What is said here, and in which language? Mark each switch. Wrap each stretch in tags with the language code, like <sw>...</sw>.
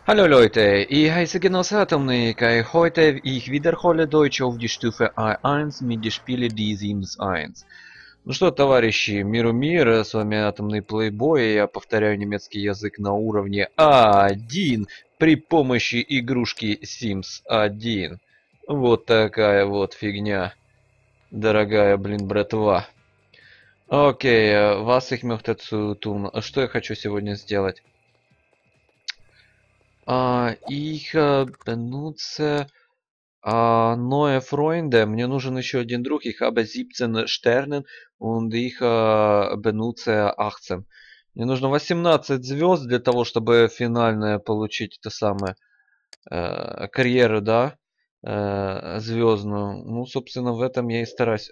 <de>Hallo Leute, ich heiße Genoss Atomnik. Heute ich wiederhole Deutsch auf die Stufe A1 mit den Spielen die Sims 1.</de> <ru>Ну что, товарищи, миру мир, с вами Атомный Плейбой, я повторяю немецкий язык на уровне А1 при помощи игрушки Sims 1. Вот такая вот фигня, дорогая, блин, братва.</ru> <de>Окей, was ich möchte zu tun?</de> <ru>Что я хочу сегодня сделать?</ru> <de>Их benutze neue Freunde.</de> <ru>Мне нужен еще один друг.</ru> <de>Ich habe 17 Sternen und ich benutze 18.</de> <ru>Мне нужно 18 звезд для того, чтобы финальное получить это самое карьеру, да, звездную. Ну, собственно, в этом я и стараюсь.</ru>